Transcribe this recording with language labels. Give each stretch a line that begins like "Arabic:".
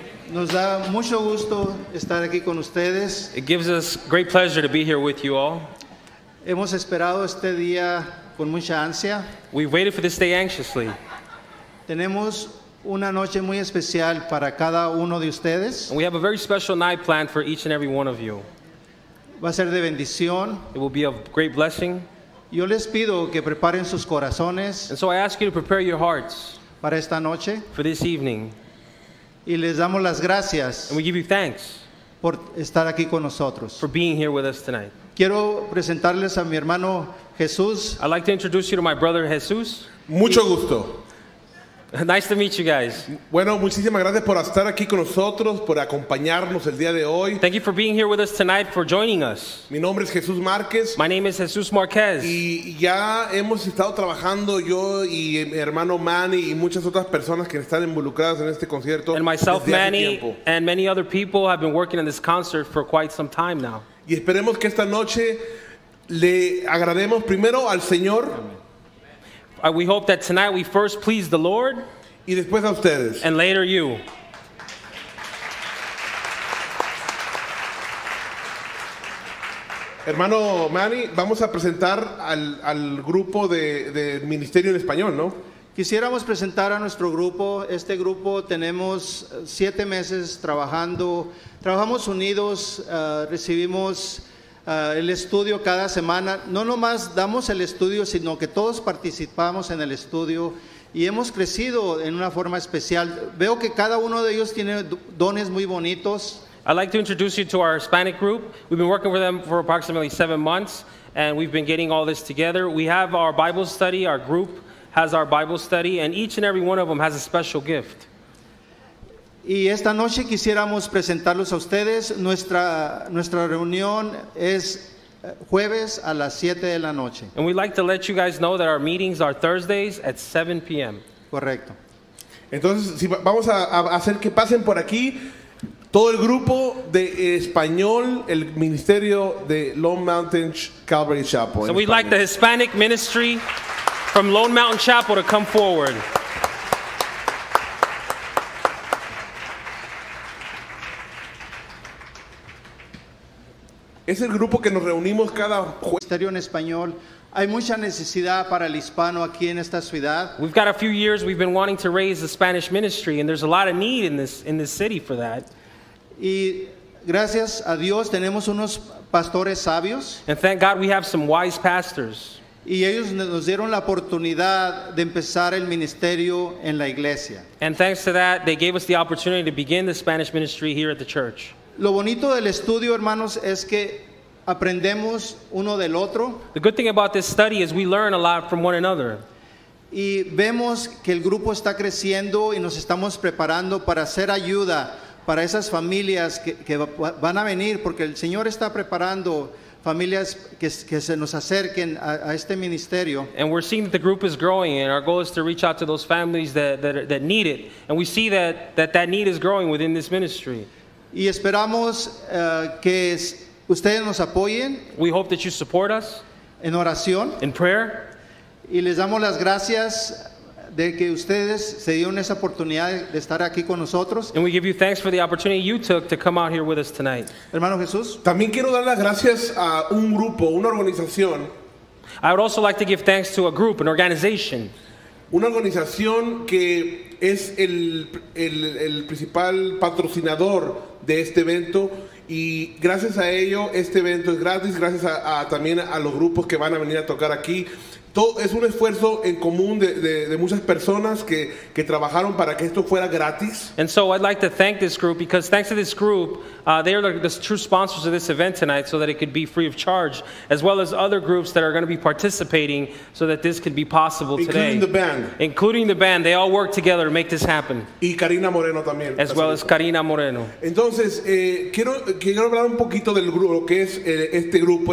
Spanish: Nos da mucho gusto estar aquí con ustedes.
English: It gives us great pleasure to be here with you all.
Spanish: Hemos esperado este día con mucha ansia.
English: We've waited for this day anxiously.
Spanish: Tenemos una noche muy especial para cada uno de ustedes.
English: And we have a very special night planned for each and every one of you.
Spanish: Va a ser de bendición.
English: It will be a great blessing.
Spanish: Yo les pido que preparen sus corazones.
English: And so I ask you to prepare your hearts.
Spanish: Para esta noche.
English: For this evening.
Spanish: Y les damos las gracias.
English: And we give you thanks.
Spanish: Por estar aquí con nosotros.
English: For being here with us tonight.
Spanish: Quiero presentarles a mi hermano Jesús.
English: I'd like to introduce you to my brother Jesús.
Spanish: Mucho gusto.
English: Nice to meet you guys.
Spanish: Bueno, muchísimas gracias por estar aquí con nosotros, por acompañarnos el día de hoy.
English: Thank you for being here with us tonight, for joining us.
Spanish: Mi nombre es Jesús Márquez.
English: My name is Jesús Márquez.
Spanish: Y ya hemos estado trabajando yo y mi hermano Manny y muchas otras personas que están involucradas en este concierto.
English: And myself, Manny, and many other people have been working on this concert for quite some time now.
Spanish: Y esperemos que esta noche le agrademos primero al Señor.
English: We hope that tonight we first please the Lord,
Spanish: y después a ustedes.
English: And later you.
Spanish: Hermano Manny, vamos a presentar al grupo de ministerio en español, ¿no? Quisiéramos presentar a nuestro grupo. Este grupo tenemos 7 meses trabajando. Trabajamos unidos. Recibimos el estudio cada semana. No nomás damos el estudio, sino que todos participamos en el estudio y hemos crecido en una forma especial. Veo que cada uno de ellos tiene dones muy bonitos.
English: I'd like to introduce you to our Hispanic group. We've been working with them for approximately 7 months and we've been getting all this together. We have our Bible study, our group has our Bible study, and each and every one of them has a special gift.
Spanish: Y esta noche quisiéramos presentarlos a ustedes. Nuestra reunión es jueves a las 7 de la noche.
English: And we'd like to let you guys know that our meetings are Thursdays at 7 p.m.
Spanish: Correcto. Entonces, si vamos a hacer que pasen por aquí todo el grupo de español, el ministerio de Lone Mountain Calvary Chapel.
English: So we'd Spanish. Like the Hispanic ministry from Lone Mountain Chapel to come forward.
Spanish: Es el grupo que nos reunimos cada jueves. Ministerio en español. Hay mucha necesidad para el hispano aquí en esta ciudad.
English: We've got a few years we've been wanting to raise the Spanish ministry, and there's a lot of need in this city for that.
Spanish: Y gracias a Dios tenemos unos pastores sabios.
English: And thank God we have some wise pastors.
Spanish: Y ellos nos dieron la oportunidad de empezar el ministerio en la iglesia.
English: And thanks to that, they gave us the opportunity to begin the Spanish ministry here at the church.
Spanish: Lo bonito del estudio, hermanos, es que aprendemos uno del otro.
English: The good thing about this study is we learn a lot from one another.
Spanish: Y vemos que el grupo está creciendo y nos estamos preparando para hacer ayuda para esas familias que van a venir, porque el Señor está preparando familias que se nos acerquen a este ministerio.
English: And we're seeing that the group is growing, and our goal is to reach out to those families that need it. And we see that need is growing within this ministry.
Spanish: Y esperamos que ustedes nos apoyen.
English: We hope that you support us.
Spanish: En oración.
English: In prayer.
Spanish: Y les damos las gracias de que ustedes se dieron esa oportunidad de estar aquí con nosotros.
English: And we give you thanks for the opportunity you took to come out here with us tonight.
Spanish: Hermano Jesús. También quiero dar las gracias a un grupo, una organización.
English: I would also like to give thanks to a group, an organization.
Spanish: Una organización que es el principal patrocinador de este evento, y gracias a ello este evento es gratis, gracias a también a los grupos que van a venir a tocar aquí. Todo es un esfuerzo en común de muchas personas que trabajaron para que esto fuera gratis.
English: And so I'd like to thank this group, because thanks to this group, they are the true sponsors of this event tonight, so that it could be free of charge, as well as other groups that are going to be participating so that this could be possible including today. Including the band. They all work together to make this happen.
Spanish: Y Karina Moreno también.
English: As well as Karina Moreno.
Spanish: Entonces, quiero hablar un poquito del grupo, lo que es este grupo.